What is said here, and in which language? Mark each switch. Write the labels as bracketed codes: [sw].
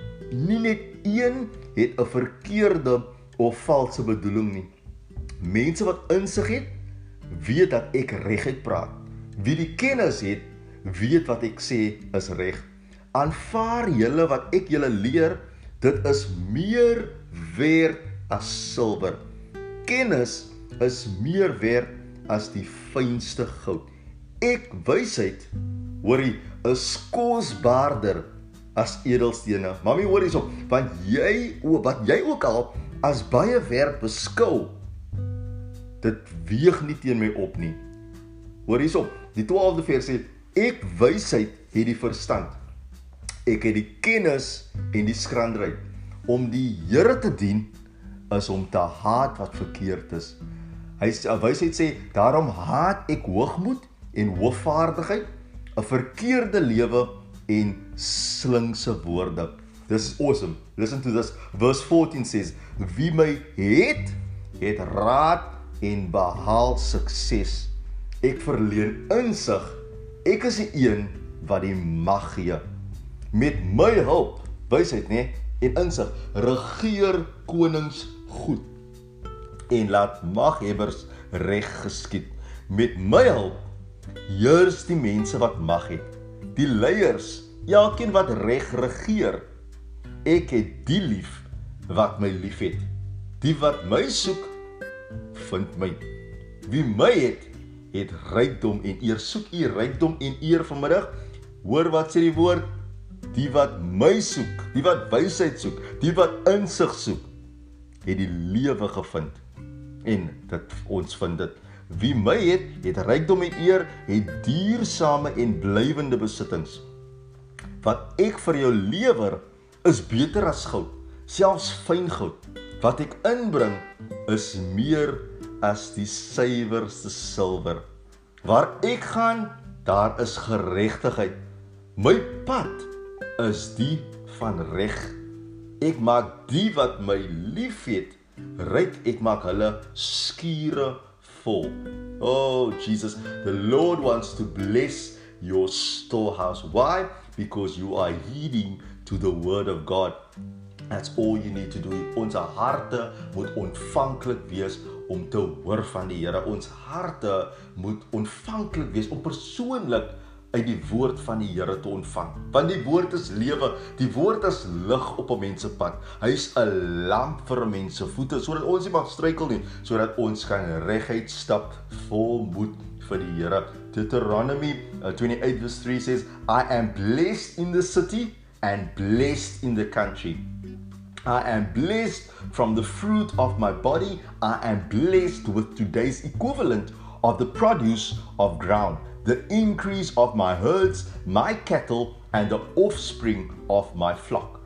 [af] Nie net een het 'n verkeerde of valse bedoeling nie. Mense wat insig het, weet dat ek reguit praat. Wie die kennis het, weet wat ek sê is reg. Aanvaar julle wat ek julle leer, dit is meer werd as silwer. Kennis is meer werd as die fynste goud. Ek wysheid, hoorie, is kosbaarder as edelstene. Mamy hoor hierop, want jy wat jy ook al as baie werd beskou, dit weeg nie teen my op nie. Hoor hierop, die 12de vers sê, ek wysheid het die verstand. Ek het die kennis en die skranderheid. Om die Here te dien is om te haat wat verkeerd is. Hy wysheid sê, daarom haat ek hoogmoed en hoofvaardigheid, 'n verkeerde lewe en slinkse woorde. [en] This is awesome. Listen to this. Verse 14 says, [af] wie my het, het raad en behaal sukses. Ek verleen insig. Ek is die een wat die mag gee. Met my hulp, wysheid nê, en insig, regeer konings goed en laat maghebbers reg geskied. Met my hulp heers die mense wat mag het, die leiers, elkeen wat reg regeer. Ek het die lief wat my lief het. Die wat my soek, vind my. Wie my het, het rykdom en eer. Soek u rykdom en eer vanmiddag. Hoor wat sê die woord? Die wat my soek, die wat wysheid soek, die wat insig soek, het die lewe gevind. En dat ons vind dit. Wie my het, het rykdom en eer, het duursame en blywende besittings. Wat ek vir jou lewer, is beter as goud, selfs fyn goud. Wat ek inbring, is meer as die suiwerste silwer. Waar ek gaan, daar is geregtigheid. My pad is die van reg. Ek maak die wat my liefhet ryk, ek maak hulle skure vol. [en] Oh Jesus, the Lord wants to bless your storehouse. Why? Because you are heeding to the word of God. That's all you need to do. [af] Ons harte moet ontvanklik wees om te hoor van die Here. Ons harte moet ontvanklik wees om persoonlik uit die woord van die Here te ontvang. Want die woord is lewe, die woord is lig op 'n mens se pad. Hy is 'n lamp vir 'n mens se voete, sodat ons nie mag struikel nie, sodat ons kan reguit stap vol moed vir die Here. [en] Deuteronomy 28:3 says, I am blessed in the city and blessed in the country. I am blessed from the fruit of my body. I am blessed with today's equivalent of the produce of ground, the increase of my herds, my cattle, and the offspring of my flock.